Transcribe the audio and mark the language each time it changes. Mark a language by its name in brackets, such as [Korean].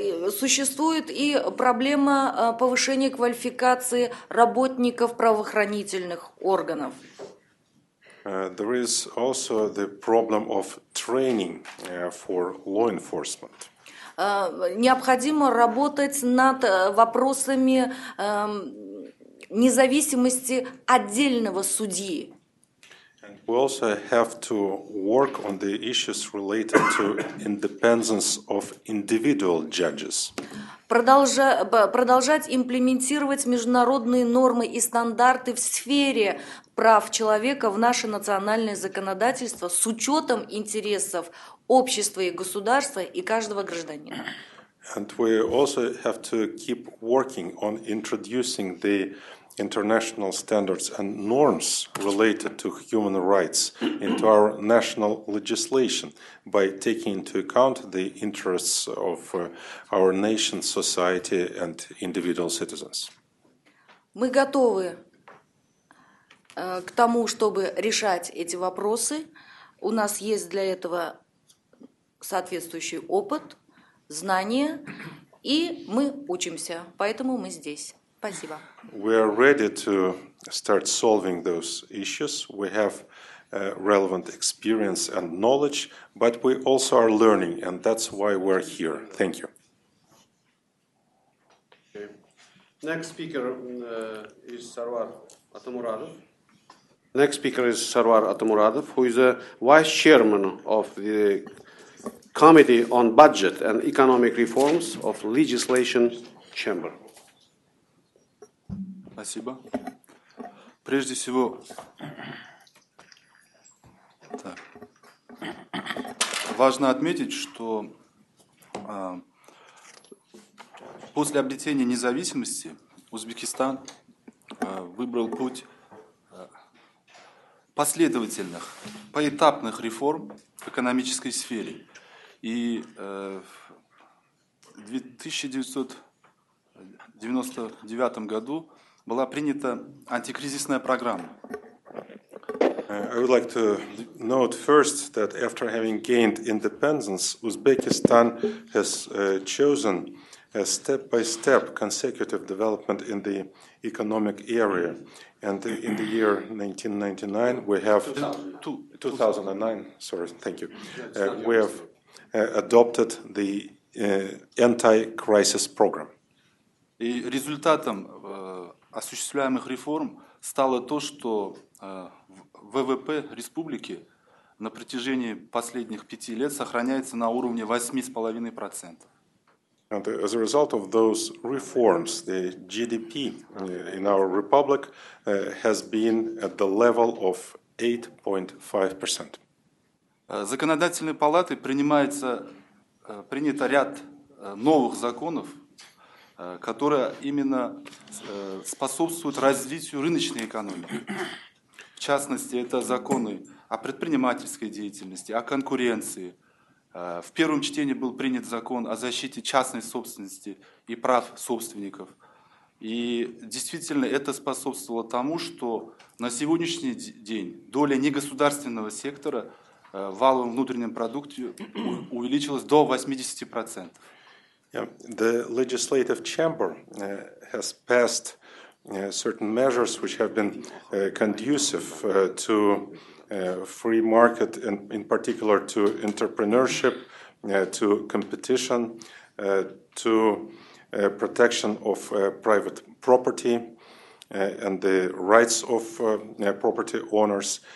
[Russian] Существует и проблема повышения квалификации работников правоохранительных органов. [English] There is also the problem of training for law enforcement. [Russian] Необходимо работать над вопросами независимости отдельного судьи. [English] And we also have to work on the issues related to independence of individual judges. [Russian] Продолжать имплементировать международные нормы и стандарты в сфере прав человека в наше национальное законодательство с учетом интересов общества и государства и каждого гражданина. [English] And we also have to keep working on introducing the international standards and norms related to human rights into our national legislation by taking into account the interests of our nation, society and individual citizens. [Russian] Мы готовы к тому, чтобы решать эти вопросы. У нас есть для этого соответствующий опыт, знания, и мы учимся, поэтому мы здесь. Спасибо. [English] We are ready to start solving those issues. We have relevant experience and knowledge, but we also are learning, and that's why we're here. Thank you. Okay. Next speaker is Sarwar Atamuradov. Next speaker is Sarwar Atamuradov, who is a vice chairman of the Committee on Budget and Economic Reforms of Legislation Chamber. [Russian] Спасибо. Прежде всего, так, важно отметить, что после обретения независимости Узбекистан выбрал путь последовательных, поэтапных реформ в экономической сфере. И в 1999 году была принята антикризисная программа. [English] I would like to note first that after having gained independence, Uzbekistan has chosen a step-by-step consecutive development in the economic area. And in the year 1999, we have 2009. Sorry, thank you. We have adopted the anti-crisis program. [Russian] И результатом осуществляемых реформ стало то, что ВВП республики на протяжении последних пяти лет сохраняется на уровне 8.5%. [English] And as a result of those reforms, the GDP in our republic has been at the level of 8.5%. [Russian] Законодательной палатой принято ряд новых законов, которые именно способствуют развитию рыночной экономики. В частности, это законы о предпринимательской деятельности, о конкуренции. В первом чтении был принят закон о защите частной собственности и прав собственников. И действительно это способствовало тому, что на сегодняшний день доля негосударственного сектора в валовом внутреннем продукте увеличилась до 80%. [English] The legislative chamber has passed certain measures which have been conducive to free market, and in particular to entrepreneurship, to competition, to protection of private property and the rights of property owners.